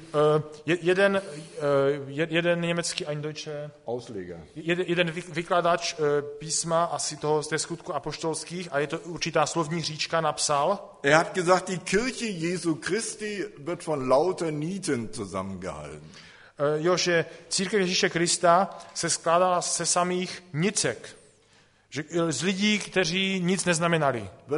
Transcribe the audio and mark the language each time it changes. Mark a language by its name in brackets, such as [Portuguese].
[Czech] Jeden německý, [German] ein deutscher Ausleger. [Czech] Jeden vykladač písma asi toho z skutku apoštolských a je to určitá slovní hříčka napsal. [German] Er hat gesagt, die Kirche Jesu Christi wird von lauter Nieten zusammengehalten. [Czech] Jo, že církev Ježíše Krista se skládala ze samých nicek. Že, z lidí, kteří nic neznamenali.